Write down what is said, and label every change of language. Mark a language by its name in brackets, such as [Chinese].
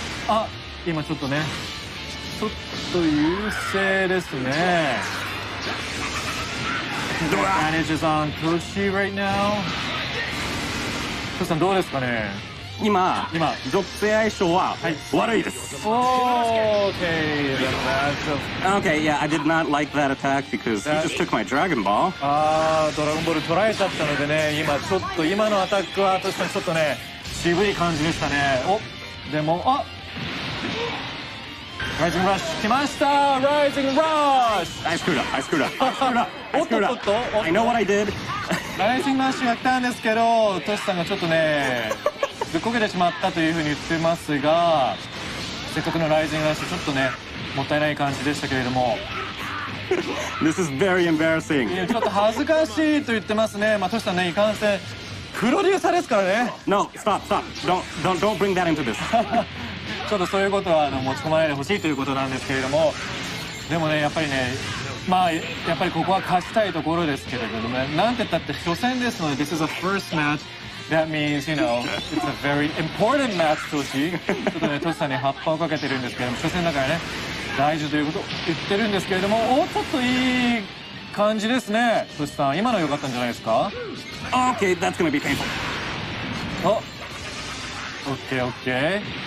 [Japanese] あ、今ちょっとね、ちょっと優勢ですね。 [English] The advantage is on Toshi right now. Toshi-san, [Japanese] どうですかね。今ドッペ相性は、はい、悪いです。 [English] Okay, yeah, I did not like that attack because he just took my Dragon Ball. [Japanese] ドラゴンボール取られちゃったのでね、今のアタックは確かにちょっとね、渋い感じでしたね。お、でも、あ、Rising Rush 来ました。 [English] Rising Rush。 I screwed up. [Japanese] おっと。 [English] I know what I did. [Japanese] Rising Rush やったんですけど、トシさんがちょっとね、ぶっこけてしまったというふうに言ってますが、せっかくの Rising Rush ちょっとね、もったいない感じでしたけれども。 [English] This is very embarrassing. [Japanese] ちょっと恥ずかしいと言ってますね。まあトシさんね、いかんせんプロデューサーですからね。 [English] No, stop. Don't bring that into this. [Japanese] ちょっとそういうことは持ち込まないでほしいということなんですけれども、でもね、やっぱりね、まあやっぱりここは勝ちたいところですけれどもね、なんて言ったって初戦ですので、 [English] This is a first match. That means, it's a very important match, Toshi. [Japanese] ちょっとね、トシさんに葉っぱをかけてるんですけれども、初戦だからね、大事ということを言ってるんですけれども、おっといい感じですね。トシさん、今の良かったんじゃないですか。 [English] OK, that's gonna be painful. OK.